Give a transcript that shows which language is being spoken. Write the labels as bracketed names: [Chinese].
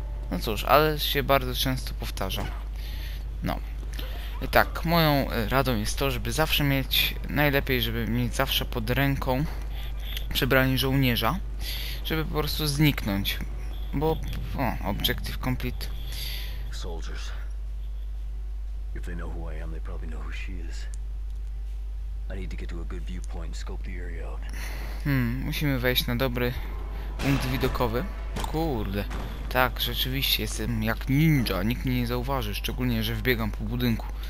[Polish] No cóż, ale się bardzo często powtarza. No. I tak, moją radą jest to, żeby zawsze mieć, najlepiej żeby mieć zawsze pod ręką przebranie żołnierza, żeby po prostu zniknąć. Bo, o, [English] objective complete. Soldiers. If they know who I am, they probably know who she is. I need to get to a good viewpoint, scope the area out. [Polish] Musimy wejść na dobry punkt widokowy. Kurde. Tak, rzeczywiście, jestem jak ninja, nikt mnie nie zauważy, szczególnie, że wbiegam po budynku.